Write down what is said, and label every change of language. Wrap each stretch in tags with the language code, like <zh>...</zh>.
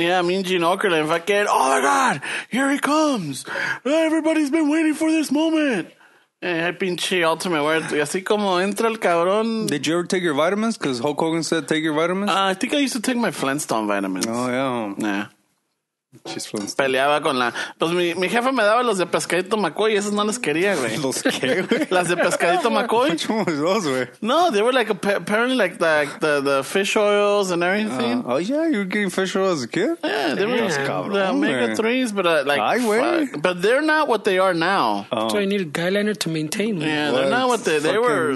<en>Yeah, Mean Gene Okerlund. If I get, oh my god, here he comes! Everybody's been waiting for this moment. Hey, pinche Ultimate Warrior.</en> <es>Así como entra el cabrón.</es> <en>Did you ever take your vitamins? Because Hulk Hogan said take your vitamins. I think I used to take my Flintstone vitamins. Oh yeah,</en> <es>yeah. Peleaba con la. Pues mi jefa me daba los de pescadito McCoy y esos no les quería, güey. ¿Los qué, güey? Las de pescadito McCoy. Muchos, güey.</es> <en>No, they were like apparently like the fish oils and everything. Oh, yeah, you were getting fish oils as a kid? Yeah, they were the omega 3s, but like.</en> <es>Ay, güey.</es> <en>But they're not what they are now. So I need a guy liner to maintain, man. Yeah, they're not what they were.</en>